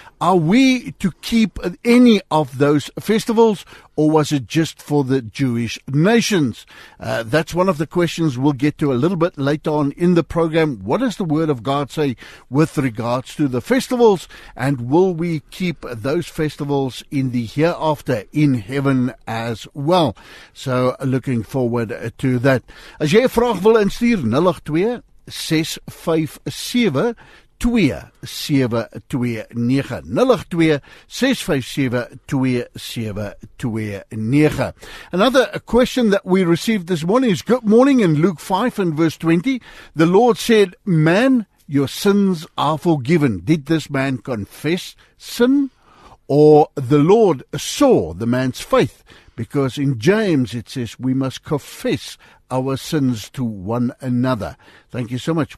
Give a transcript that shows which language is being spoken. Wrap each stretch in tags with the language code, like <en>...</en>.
<en>Are we to keep any of those festivals, or was it just for the Jewish nations? That's one of the questions we'll get to a little bit later on in the program. What does the Word of God say with regards to the festivals, and will we keep those festivals in the hereafter in heaven as well? So looking forward to that.</en> <af>As jy 'n vraag wil instuur, 082-657-2729.</af> <en>Another question that we received this morning is, good morning, in Luke 5 and verse 20, the Lord said, man, your sins are forgiven. Did this man confess sin? Or the Lord saw the man's faith? Because in James it says we must confess our sins to one another. Thank you so much.</en>